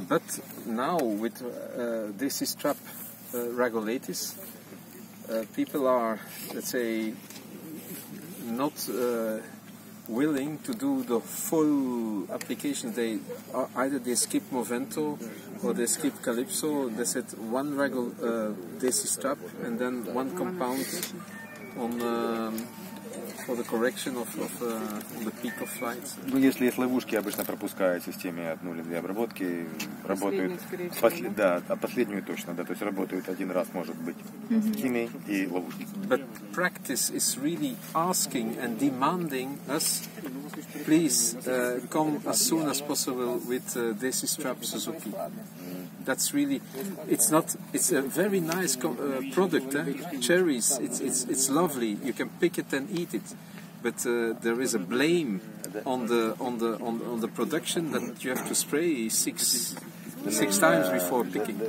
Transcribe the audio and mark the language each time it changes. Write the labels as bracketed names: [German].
[English] But now with this is trap regulators, people are, let's say, not willing to do the full application. They either they skip Movento or they skip Calypso. They said one regular desi strap and then one compound on for the correction of the peak of flights. [Russian] Ну если есть ловушки, обычно пропускают в системе одну или две обработки, работают последнюю, скорее всего, да, последнюю точно, да, то есть работают один раз, может быть, кины и ловушки. [English] But practice is really asking and demanding us, please come as soon as possible with desi strap Suzuki. That's really, it's not, it's a very nice product, eh? Cherries, it's lovely, you can pick it and eat it, but there is a blame on the production that you have to spray six times before picking.